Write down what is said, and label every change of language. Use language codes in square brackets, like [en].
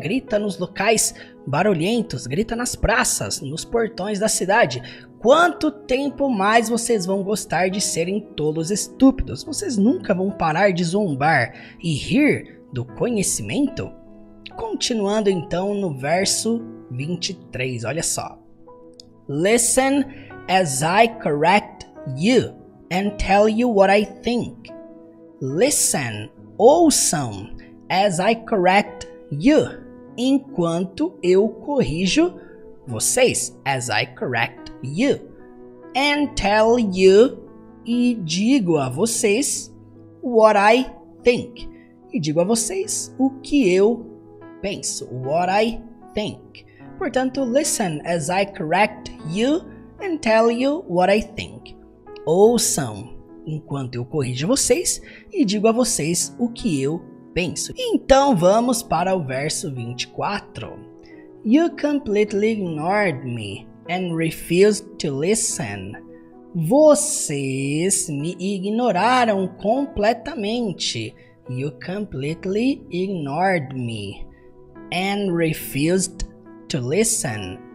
[pt] Grita nos locais barulhentos, grita nas praças, nos portões da cidade. Quanto tempo mais vocês vão gostar de serem tolos estúpidos? Vocês nunca vão parar de zombar e rir do conhecimento? Continuando então no verso 23, olha só. [en] Listen as I correct you and tell you what I think. Listen, [pt] ouçam, [en] as I correct you, [pt] enquanto eu corrijo vocês, [en] as I correct you, and tell you, [pt] e digo a vocês, [en] what I think, [pt] e digo a vocês o que eu penso, [en] what I think. Portanto, listen as I correct you and tell you what I think. [pt] Ouçam enquanto eu corrijo vocês e digo a vocês o que eu penso. Então vamos para o verso 24. [en] You completely ignored me and refused to listen. [pt] Vocês me ignoraram completamente. [en] You completely ignored me and refused to listen.